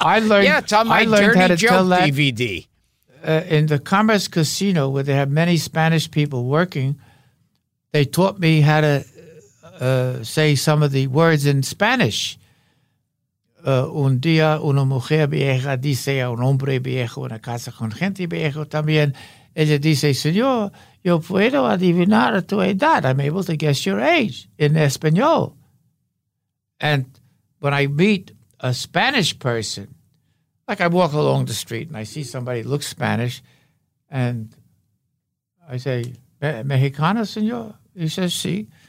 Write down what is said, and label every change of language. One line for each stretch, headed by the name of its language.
English: I learned how to tell that in the Commerce Casino, where they have many Spanish people working, they taught me how to say some of the words in Spanish.
Spanish: Un día una mujer vieja dice a un hombre viejo una casa con gente viejo también. Ella dice, señor, yo puedo adivinar tu edad.
English: I'm able to guess your age in Espanol. And when I meet a Spanish person, like I walk along the street and I see somebody looks Spanish, and I say,
Spanish: Mexicano, señor?
English: He says, sí.